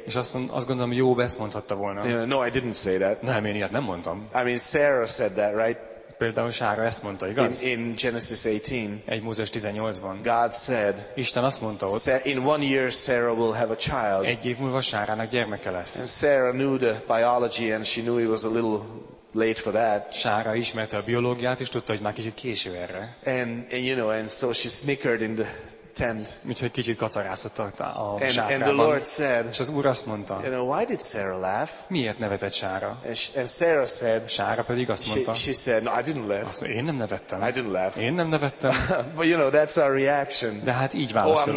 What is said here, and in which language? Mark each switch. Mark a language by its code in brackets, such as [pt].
[hu] És azt gondolom, Job ezt mondhatta volna. [en] Yeah, no, I didn't say that. [hu] Nem, én ilyet nem mondtam. [en] I mean, Sarah said that, right? [hu] Például Sára ezt mondta, igaz? [en] In Genesis 18. [hu] Egy Mózes 18-ban. [en] God said. [hu] Isten azt mondta ott. [en] In one year Sarah will have a child. [hu] Egy év múlva Sárának gyermeke lesz. [en] And Sarah knew the biology and she knew he was a little late for that. [hu] Sára ismerte a biológiát és tudta, hogy már kicsit késő erre. [en] And you know, and so she snickered in the tent. [hu] Úgyhogy kicsit kacarászott a sátrában. [en] And the Lord said. [hu] És az Úr azt mondta. [en] You know, why did Sarah laugh? [hu] Miért nevetett Sára? [en] And Sarah said. [hu] Sára pedig azt mondta. [en] She said, no, I didn't laugh. [hu] Én nem nevettem. [en] I didn't laugh. [hu] Én nem nevettem. [en] But you know, that's our reaction. [hu] De hát így válaszolom.